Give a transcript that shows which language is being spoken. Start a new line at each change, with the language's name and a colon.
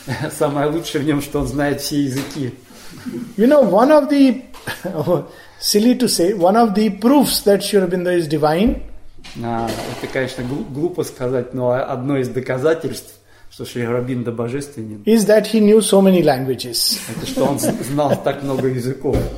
Russian: Самое лучшее в нем, что он знает все языки.
English: You know, one of the silly to say, one of the proofs that Sri Aurobindo is divine.
Russian: Это, конечно, глупо сказать, но одно из доказательств, что Шри Аурабиндо божественен.
English: Is that he knew so many languages?
Russian: Это что он знал так много языков.